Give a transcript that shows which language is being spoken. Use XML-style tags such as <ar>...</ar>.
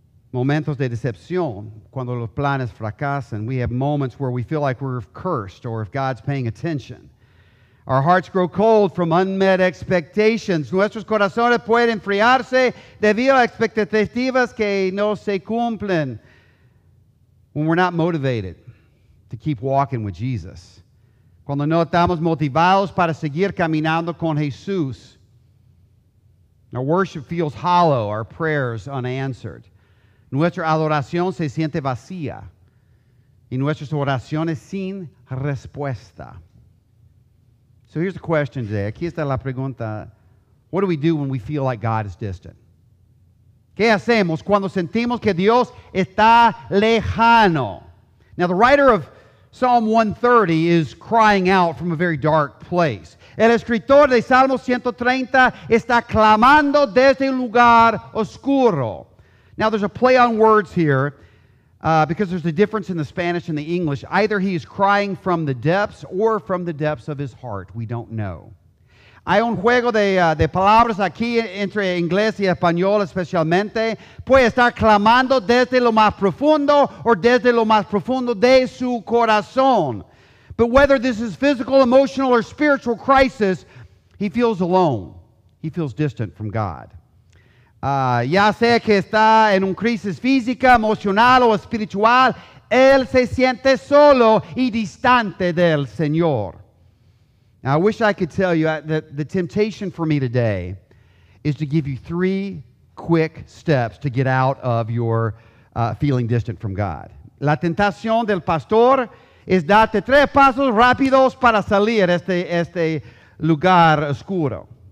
<es>Momentos de decepción, cuando los planes fracasan.</es> <en>We have moments where we feel like we're cursed or if God's paying attention. Our hearts grow cold from unmet expectations.</en> <es>Nuestros corazones pueden enfriarse debido a expectativas que no se cumplen.</es> <en>When we're not motivated to keep walking with Jesus.</en> <es>Cuando no estamos motivados para seguir caminando con Jesús.</es> <en>Our worship feels hollow, our prayers unanswered.</en> <es>Nuestra adoración se siente vacía. Y nuestras oraciones sin respuesta.</es> <en>So here's the question today.</en> <es>Aquí está la pregunta.</es> <en>What do we do when we feel like God is distant?</en> <es>¿Qué hacemos cuando sentimos que Dios está lejano?</es> <en>Now, the writer of Psalm 130 is crying out from a very dark place.</en> <es>El escritor de Salmo 130 está clamando desde un lugar oscuro.</es> <en>Now, there's a play on words here because there's a difference in the Spanish and the English. Either he is crying from the depths or from the depths of his heart. We don't know.</en> <es>Hay un juego de palabras aquí entre inglés y español especialmente. Puede estar clamando desde lo más profundo o desde lo más profundo de su corazón.</es> <en>But whether this is physical, emotional, or spiritual crisis, he feels alone. He feels distant from God.</en> <es>Ya sea que está en un crisis física, emocional o espiritual, él se siente solo y distante del Señor.</es> <en>Now, I wish I could tell you that the temptation for me today is to give you three quick steps to get out of your feeling distant from God.</en> <es>La tentación del pastor es darte tres pasos rápidos para salir este lugar oscuro.</es>